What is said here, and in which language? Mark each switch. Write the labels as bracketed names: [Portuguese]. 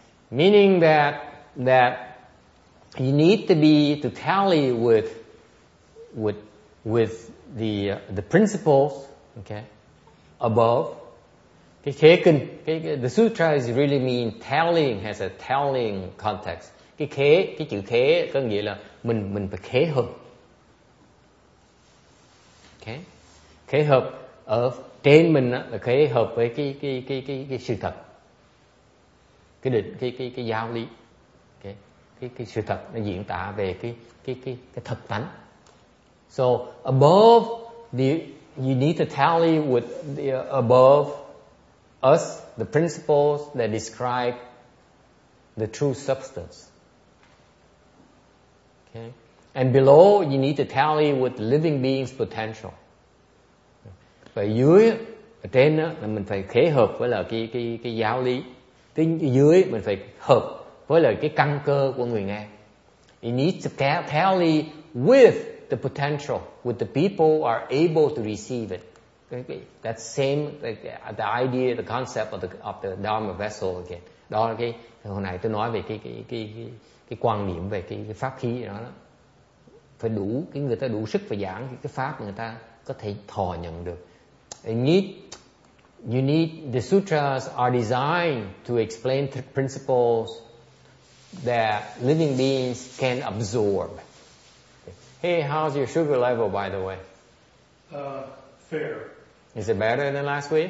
[English] Meaning that you need to be to tally with the principles, okay, above. [Vietnamese] Cái khế kinh, [English] the sutra is really mean tallying, has a tallying context. [Vietnamese] Cái khế, cái chữ khế có nghĩa là mình phải khế hợp. Okay. Khế hợp ở trên mình á, là khế hợp với cái sự thật. Cái định, cái giáo lý. Okay. Cái sự thật nó diễn tả về cái thật tánh. [English] So above the, you need to tally with the above us, the principles that describe the true substance. Okay. And below, you need to tally with the living being's potential. [Vietnamese] Và dưới, ở trên đó, là mình phải khế hợp với là cái giáo lý. Tới dưới, mình phải hợp với là cái căn cơ của người nghe. [English] You need to tally with the potential, with the people are able to receive it. That same the idea, the concept of the Dharma vessel again. [Vietnamese] Đó là cái hồi nãy tôi nói về cái quan điểm về cái pháp khí đó, đó. Phải đủ cái người ta đủ sức và giảng cái pháp người ta có thể thọ nhận được. [English] You need the sutras are designed to explain principles that living beings can absorb. Hey, how's your sugar level, by the way? Fair. Is it better than last week?